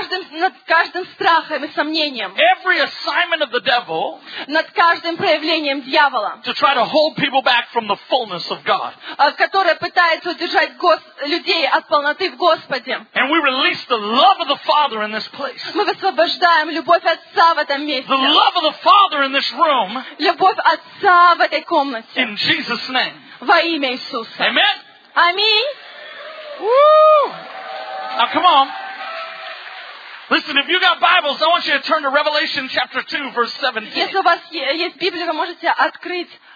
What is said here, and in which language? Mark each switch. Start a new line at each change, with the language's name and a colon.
Russian: Над каждым страхом и сомнением.
English: Every assignment of the devil.
Russian: Над каждым проявлением дьявола.
English: To try to hold people back from the fullness of God.
Russian: Которая пытается удержать людей от полноты в Господе.
English: And we release the love of the Father in this place.
Russian: Мы высвобождаем любовь Отца в этом месте.
English: The love of the Father in this room.
Russian: Любовь Отца в этой комнате.
English: In Jesus' name.
Russian: Во имя Иисуса.
English: Amen.
Russian: Аминь.
English: Woo! Now come on. Listen, if you got Bibles, I want you to turn to Revelation chapter 2, verse 17.
Russian: Если у вас есть Библия, вы можете открыть